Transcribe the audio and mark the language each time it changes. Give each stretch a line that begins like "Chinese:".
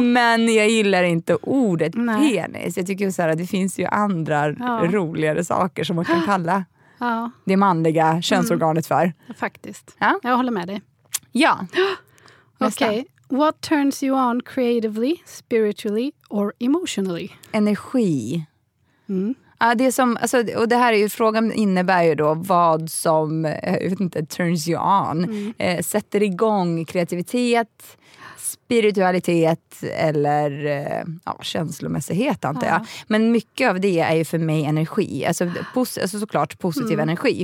Swedish: Men jag gillar inte ordet penis. Jag tycker så här, det finns ju andra roligare saker som man kan kalla... Ja. Det manliga könsorganet för. Faktiskt. Ja? Jag håller med dig. Ja. Okej. Okay.
English: What turns you on creatively, spiritually or emotionally?
Swedish: Energi. Det som, alltså, och det här är ju, frågan innebär ju då vad som, jag vet inte,
English: turns you on.
Swedish: Mm. Sätter igång kreativitet, spiritualitet eller känslomässighet, antar jag. Men mycket av det är ju för mig energi. Alltså såklart positiv energi.